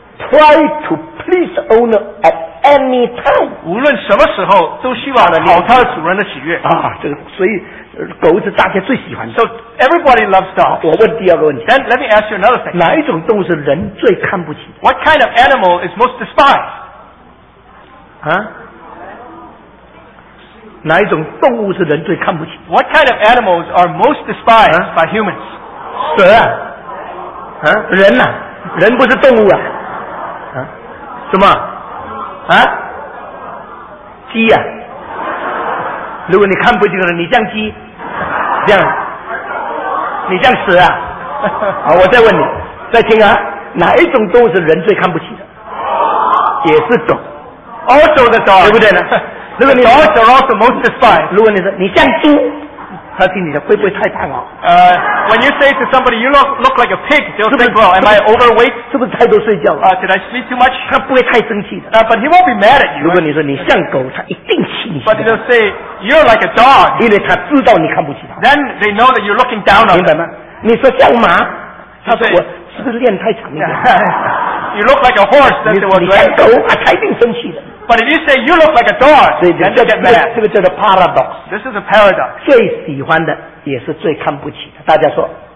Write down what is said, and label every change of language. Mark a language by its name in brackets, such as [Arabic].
[English] Try to please the owner at any time. [Chinese] 无论什么时候都希望讨他主人的喜悦。啊，这个所以狗是大家最喜欢的。 [English] So everybody loves dogs. [Chinese] 我问第二个问题。 [English] Then let me ask you another thing. [Chinese] 哪一种动物是人最看不起 [English] ？What kind of animal is most despised? 啊？ [Chinese] 哪一种动物是人最看不起 [English] ？What kind of animals are most despised by humans? [Chinese] 蛇啊？啊？人呐、啊？人不是动物啊？啊？什么？啊？鸡啊？如果你看不起人，你像鸡，这样，你像蛇啊？好，我再问你，再听啊，哪一种动物是人最看不起的？也是狗 [English] ，also the dog， [Chinese] 对不对呢？如果你 [English] the dogs are also most despised， [Chinese] 如果你说你像猪，他心里想会不会太胖哦？ [English] When you say to somebody you look like a pig, they'll think, well, am I overweight? [Chinese] 是不是太多睡觉了？ [English] Did I sleep too much? [Chinese] 他不会太生气的。 [English] But he won't be mad at you. [Chinese] 如果你说你像狗，他一定气你。 [English] But they'll say you're like a dog. [Chinese] 因为他知道你看不起他。 [English] Then they know that you're looking down on them. [Chinese] 明白吗？你说像马，他说我是不是练太长一点？ [English] You look like a horse. [Chinese] 你像狗，他一定生气的。 [English] But if you say you look like a dog, then you get mad. [Chinese] 这个叫做 paradox. [English] This is a paradox. [Chinese] 最喜欢的也是最看不起的，大家说。